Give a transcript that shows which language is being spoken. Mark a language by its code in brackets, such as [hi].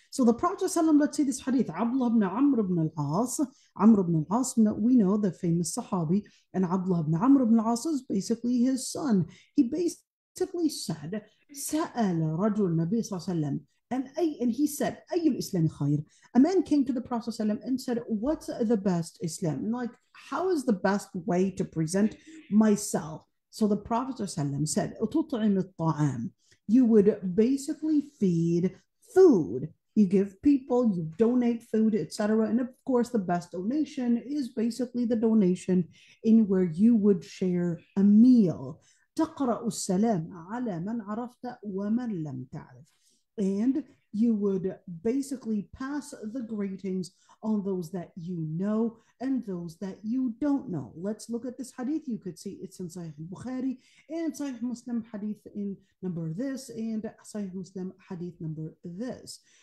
[en] So the Prophet, let's see this hadith, Abdullah ibn Amr ibn al-As. Amr ibn al-As, we know the famous Sahabi, and Abdullah ibn Amr ibn al-As is basically his son. He basically said, [ar] سأل رجل النبي صلى الله عليه وسلم, [en] and he said, [ar] أي الإسلام خير? [en] A man came to the Prophet صلى الله عليه وسلم and said, what's the best Islam? And like, how is the best way to present myself? So the Prophet [ar] صلى الله عليه وسلم [en] said, [ar] أتطعم الطعام. [en] You would basically feed food. You give people, you donate food, etc. And of course, the best donation is basically the donation in where you would share a meal. [ar] تقرأ السلام على من عرفت ومن لم تعرف. [en] And you would basically pass the greetings on those that you know and those that you don't know. Let's look at this hadith. You could see it's in Sahih Bukhari and Sahih Muslim, hadith in number this, and Sahih Muslim, hadith number this.